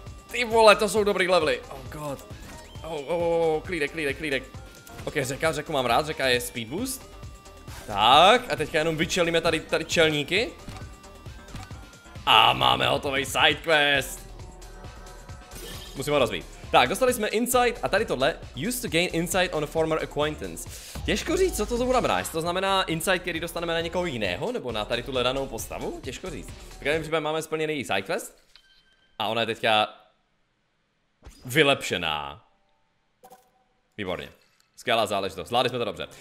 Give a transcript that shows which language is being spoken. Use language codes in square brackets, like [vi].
[cs] Ty vole, to jsou dobrý levely. [en] Oh god. [cs] Klídek. OK, řeka, řeku mám rád, řeka je speed boost. Tak, a teďka jenom vyčelíme tady čelníky. A máme hotový side quest. Musíme ho rozbít. Tak, dostali jsme insight a tady tohle. [en] Used to gain insight on a former acquaintance. [cs] Těžko říct, co to znamená. Jestli to znamená insight, který dostaneme na někoho jiného, nebo na tady tuhle danou postavu? Těžko říct. Tak já nevím, máme splněný side quest. A ona je teďka... vylepšená. Výborně. Skvělá záležitost, zvládli jsme to dobře.